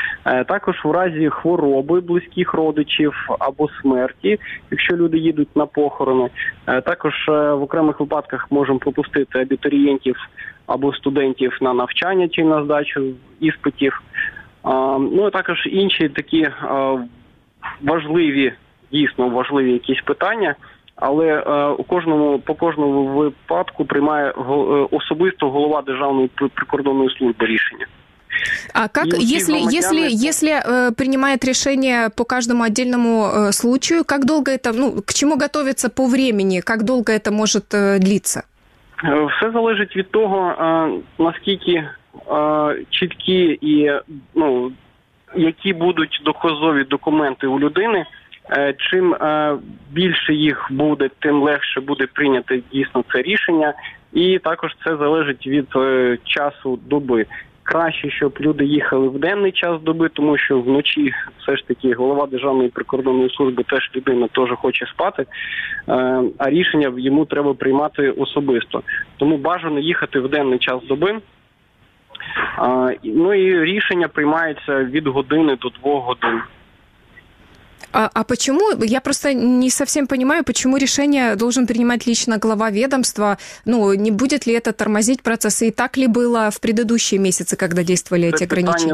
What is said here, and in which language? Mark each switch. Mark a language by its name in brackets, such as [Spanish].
[Ukrainian] Також в разі хвороби близьких родичів або смерті, якщо люди їдуть на похорони, також в окремих випадках можемо пропустити абітурієнтів або студентів на навчання чи на здачу іспитів. Ну, також інші такі важливі, дійсно важливі якісь питання, але по кожному випадку приймає особисто голова Державної прикордонної служби рішення. [Russian] А как, если принимает решение по каждому отдельному случаю, как долго это, ну, к чему готовится по времени, как долго это может длиться? [Ukrainian] Все залежить від того, наскільки чіткі і, ну, які будуть доказові документи у людини. Чим більше їх буде, тим легше буде прийняти дійсно це рішення. І також це залежить від часу доби. Краще, щоб люди їхали в денний час доби, тому що вночі все ж таки голова Державної прикордонної служби теж людина теж хоче спати, а рішення йому треба приймати особисто. Тому бажано їхати в денний час доби. Ну і рішення приймається від години до двох годин. [Russian] А почему? Я просто не совсем понимаю, почему решение должен принимать лично глава ведомства? Ну, не будет ли это тормозить процессы? И так ли было в предыдущие месяцы, когда действовали эти ограничения?